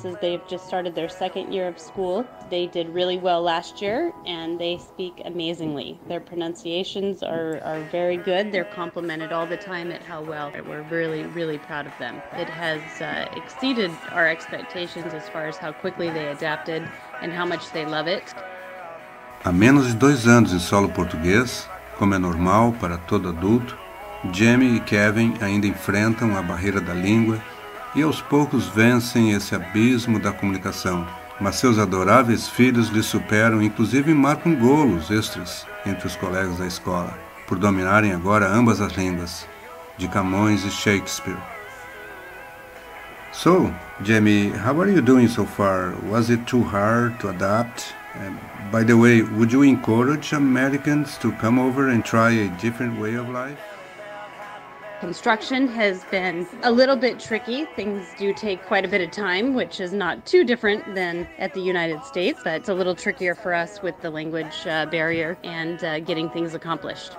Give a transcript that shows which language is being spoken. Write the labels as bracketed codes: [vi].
[en] They've just started their second year of school. They did really well last year and they speak amazingly. Their pronunciations are very good. They're complimented all the time at how well. We're really, really proud of them. It has exceeded our expectations as far as how quickly they adapted and how much they love it. [pt] Há menos de 2 anos em solo português, como é normal para todo adulto, Jamie e Kevin ainda enfrentam a barreira da língua e aos poucos vencem esse abismo da comunicação. Mas seus adoráveis filhos lhe superam, inclusive marcam golos extras entre os colegas da escola, por dominarem agora ambas as línguas, de Camões e Shakespeare. [en] So, Jamie, how are you doing so far? Was it too hard to adapt? By the way, would you encourage Americans to come over and try a different way of life? Construction has been a little bit tricky. Things do take quite a bit of time, which is not too different than at the United States, but it's a little trickier for us with the language barrier and getting things accomplished.